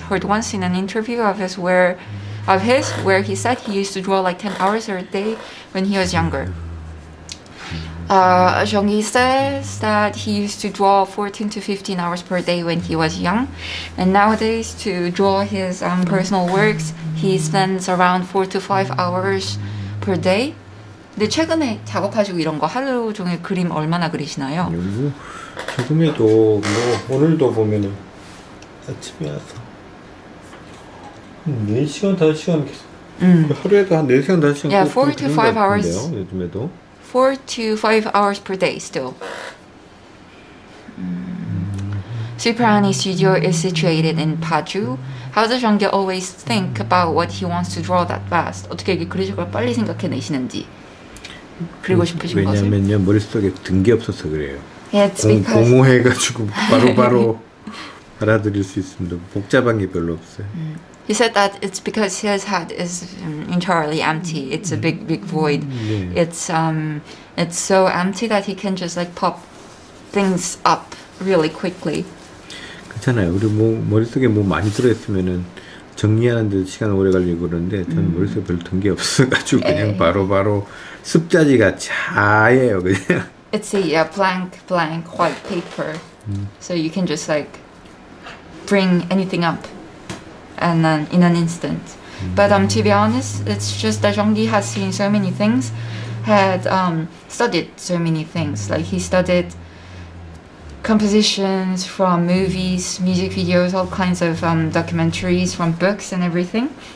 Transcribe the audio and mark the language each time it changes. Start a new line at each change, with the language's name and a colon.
English: Heard once in an interview of his where he said he used to draw like 10 hours a day when he was younger. Jong-gi says that he used to draw 14 to 15 hours per day when he was young, and nowadays to draw his personal works, he spends around 4 to 5 hours per day.
Korean: 근데 최근에 작업하시고 이런 거 하루 종일 그림 얼마나 그리시나요? 조금에도 뭐 오늘도 보면은 아침에 와서 4시간 5시간 계속 하루에도 한 4시간 5시간
English: yeah, 4 to 5 hours
Korean: 같은데요, 요즘에도
English: 4 to 5 hours per day still. Suprani studio is situated in Paju. How does Jong-gi always think about what he wants to draw that fast?
Korean: 어떻게 이렇게 그리실 걸 빨리 생각해내시는지 그리고 싶으신 것을. 왜냐면요 머릿속에 등기 없어서 그래요.
English: It's because
Korean: 공허해가지고 바로 알아들일 수 있습니다. 복잡한 게 별로 없어요.
English: He said that it's because his head is entirely empty. It's a big void. Yeah. It's so empty that he can just like pop things up really quickly.
Korean: 그렇잖아요. 우리 뭐 머릿속에 뭐 많이 들어있으면은 정리하는데 시간 오래 걸리고 그러는데 저는 머릿속에 별로 든 게 없어가지고 그냥 바로 습자지가 차예요 그냥.
English: It's a blank white paper. So you can just like bring anything up. And then in an instant. But to be honest, it's just that Jong-gi has seen so many things, had studied so many things. Like he studied compositions from movies, music videos, all kinds of documentaries from books and everything.